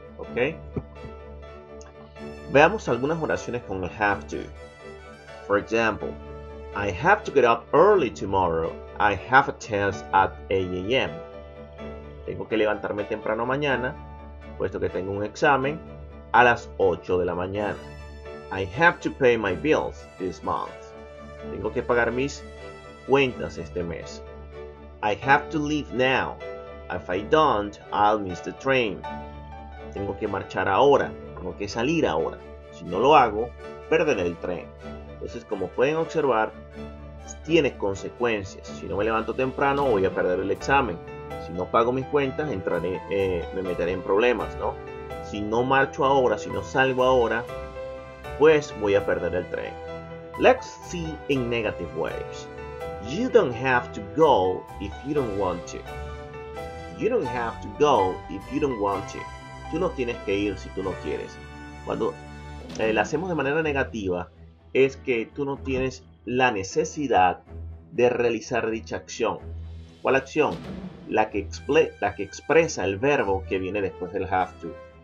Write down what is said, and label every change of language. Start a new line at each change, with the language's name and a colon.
Spanish: ¿Ok? Veamos algunas oraciones con el have to.
English: For example, I have to get up early tomorrow. I have a test at 8 a.m.
Spanish: Tengo que levantarme temprano mañana, puesto que tengo un examen a las 8 de la mañana.
English: I have to pay my bills this month.
Spanish: Tengo que pagar mis cuentas este mes.
English: I have to leave now. If I don't, I'll miss the train.
Spanish: Tengo que marchar ahora. Tengo que salir ahora. Si no lo hago, perderé el tren. Entonces, como pueden observar, tiene consecuencias. Si no me levanto temprano, voy a perder el examen. Si no pago mis cuentas, me meteré en problemas, ¿no? Si no marcho ahora, si no salgo ahora, pues voy a perder el tren.
English: Let's see in negative ways. You don't have to go if you don't want to. You don't have to go if you don't want to.
Spanish: Tú no tienes que ir si tú no quieres. Cuando la hacemos de manera negativa, es que tú no tienes la necesidad de realizar dicha acción. ¿Cuál acción? La que expresa el verbo que viene después del have to.